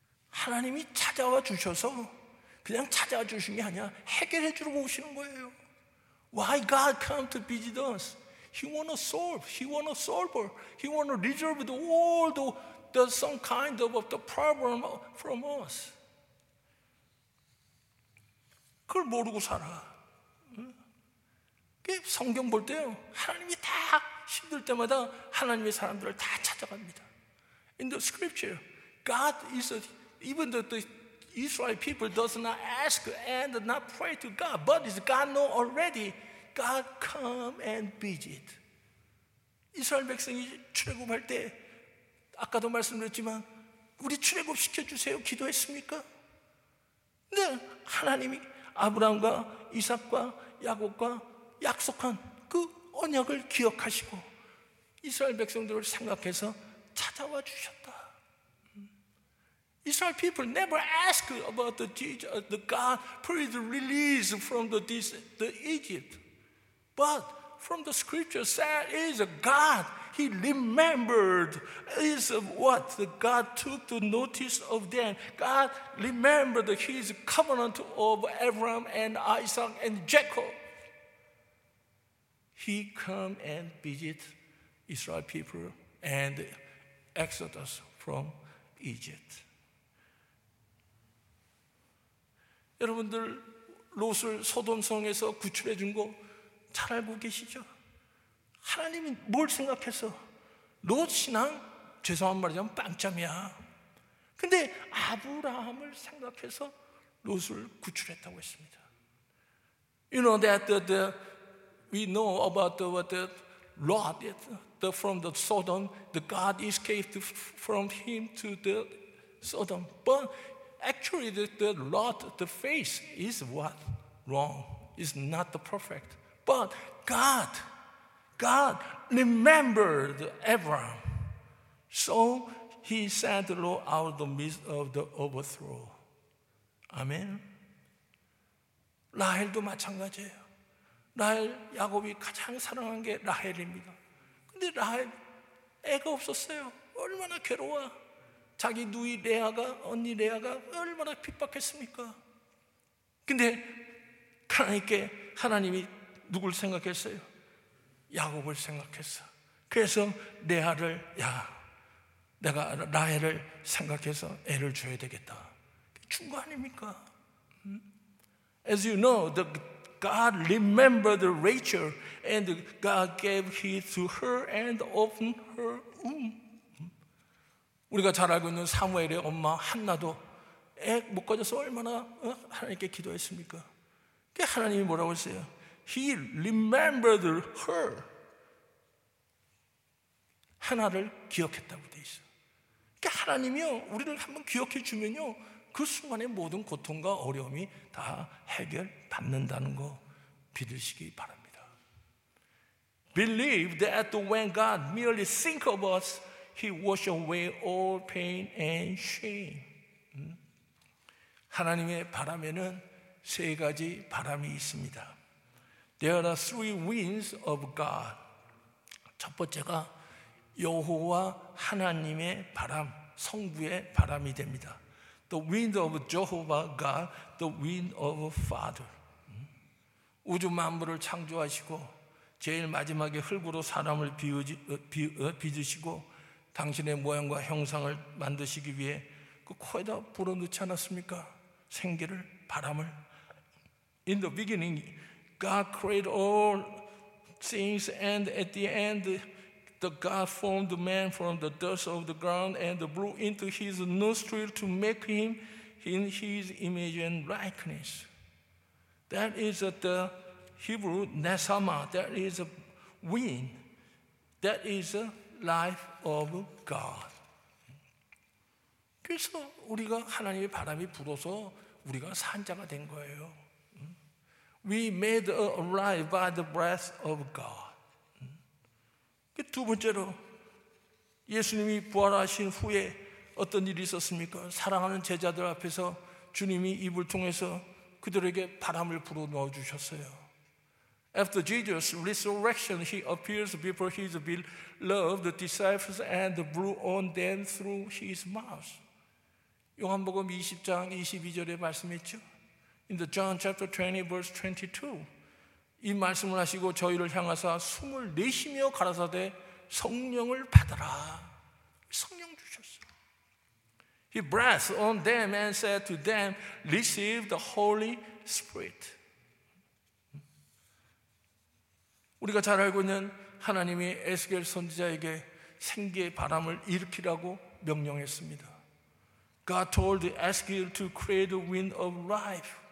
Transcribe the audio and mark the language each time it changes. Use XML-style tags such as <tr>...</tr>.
<ko>하나님이 찾아와 주셔서 그냥 찾아와 주신 게 아니라 해결해 주러 오시는 거예요.</ko> <en>Why God come to visit us? He want to solve. He want to solve. He want to resolve all the some kind of the problem from us.</en> <ko>그걸 모르고 살아. 성경 볼 때요, 하나님이 다 힘들 때마다 하나님의 사람들을 다 찾아갑니다.</ko> <en>In the scripture, God is even the Israel people does not ask and not pray to God, but is God know already? God come and visit.</en> <ko>이스라엘 백성이 출애굽할 때 아까도 말씀드렸지만 우리 출애굽 시켜주세요 기도했습니까? 근데 하나님이 아브라함과 이삭과 야곱과 약속한 그 언약을 기억하시고 이스라엘 백성들을 생각해서 찾아와 주셨다.</ko> <en>Israel people never ask about the God please release from the Egypt. But from the scripture said is a God. He remembered is what the God took the notice of them. God remembered his covenant of Abraham and Isaac and Jacob. He come and visit Israel people and Exodus from Egypt.</en> <ko>여러분들 롯을 소돔성에서 구출해 준 거 잘 알고 계시죠? 하나님이 뭘 생각해서 롯 신앙 죄송한 말이지만 빵점이야. 근데 아브라함을 생각해서 롯을 구출했다고 했습니다.</ko> <en>You know that we know about the Lot from the Sodom, the God escaped from him to the Sodom. But actually, the Lot, the face is what wrong. It's not the perfect. But God, God remembered Abraham. So he sent Lot out of the midst of the overthrow.</en> <ko>Amen. 라헬도 마찬가지예요. 라헬, 야곱이 가장 사랑한 게 라헬입니다. 근데 라헬, 애가 없었어요. 얼마나 괴로워. 자기 누이 레아가, 언니 레아가 얼마나 핍박했습니까? 근데 하나님께, 하나님이 누굴 생각했어요? 야곱을 생각했어. 그래서 레아를, 야, 내가 라헬을 생각해서 애를 줘야 되겠다. 준 거 아닙니까?</ko> <en>As you know, God remembered Rachel and God gave heed to her and opened her womb.</en> <ko>우리가 잘 알고 있는 사무엘의 엄마 한나도 애 못 가져서 얼마나 하나님께 기도했습니까? 하나님이 뭐라고 했어요?</ko> <en>He remembered her.</en> <ko>하나를 기억했다고 돼 있어. 그러니까 하나님이요, 우리를 한번 기억해 주면요, 그 순간에 모든 고통과 어려움이 다 해결받는다는 거 믿으시기 바랍니다.</ko> <en>Believe that when God merely think of us, He wash away all pain and shame.</en> <ko>하나님의 바람에는 세 가지 바람이 있습니다.</ko> <en>There are three winds of God.</en> <ko>첫 번째가 여호와 하나님의 바람, 성부의 바람이 됩니다.</ko> <en>The wind of Jehovah God, the wind of Father.</en> <ko>우주 만물을 창조하시고 제일 마지막에 흙으로 사람을 빚으시고 당신의 모양과 형상을 만드시기 위해 그 코에다 불어넣지 않았습니까? 생기를, 바람을.</ko> <en>In the beginning, God created all things, and at the end, the God formed man from the dust of the ground and blew into his nostril to make him in his image and likeness. That is the Hebrew nesama. That is a wind. That is the life of God.</en> <ko>그래서 우리가 하나님의 바람이 불어서 우리가 산자가 된 거예요.</ko> <en>We made alive by the breath of God.</en> <ko>두 번째로 예수님이 부활하신 후에 어떤 일이 있었습니까? 사랑하는 제자들 앞에서 주님이 입을 통해서 그들에게 바람을 불어넣어 주셨어요.</ko> <en>After Jesus' resurrection, he appears before his beloved disciples and blew on them through his mouth.</en> <ko>요한복음 20장 22절에 말씀했죠.</ko> <en>In the John chapter 20 verse 22,</en> <ko>이 말씀을 하시고 저희를 향하사 숨을 내쉬며 가라사대 성령을 받아라. 성령 주셨어.</ko> <en>He breathed on them and said to them, receive the Holy Spirit.</en> <ko>우리가 잘 알고 있는 하나님이 에스겔 선지자에게 생기의 바람을 일으키라고 명령했습니다.</ko> <en>God told Ezekiel to create the wind of life.</en>